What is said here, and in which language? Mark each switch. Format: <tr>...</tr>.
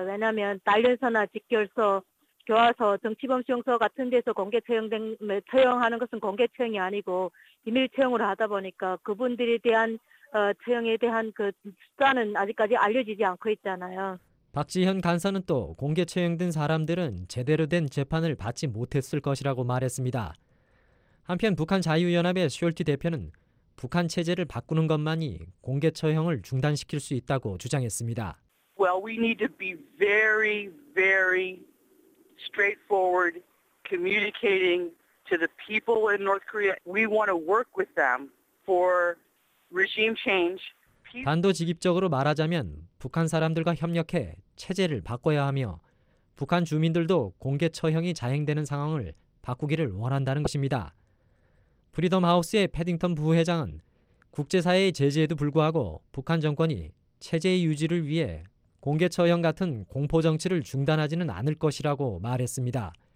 <ko>왜냐하면 단련소나 직결소, 교화소, 정치범수용소 같은 데서 공개 처형하는 것은 공개 처형이 아니고 비밀 처형으로 하다 보니까 그분들에 대한 처형에 대한 그 숫자는 아직까지 알려지지 않고 있잖아요. 박지현 간사는 또 공개 처형된 사람들은 제대로 된 재판을 받지 못했을 것이라고 말했습니다. 한편 북한 자유연합의 숄티 대표는 북한 체제를 바꾸는 것만이 공개 처형을 중단시킬 수 있다고 주장했습니다.</ko> <en>Well, we need to be very, very straightforward communicating to the people in North Korea. We want to work with them for regime change.</en> <ko>단도직입적으로 말하자면 북한 사람들과 협력해 체제를 바꿔야 하며 북한 주민들도 공개 처형이 자행되는 상황을 바꾸기를 원한다는 것입니다. 프리덤 하우스의 패딩턴 부회장은 국제사회의 제재에도 불구하고 북한 정권이 체제의 유지를 위해 공개 처형 같은 공포 정치를 중단하지는 않을 것이라고 말했습니다.</ko>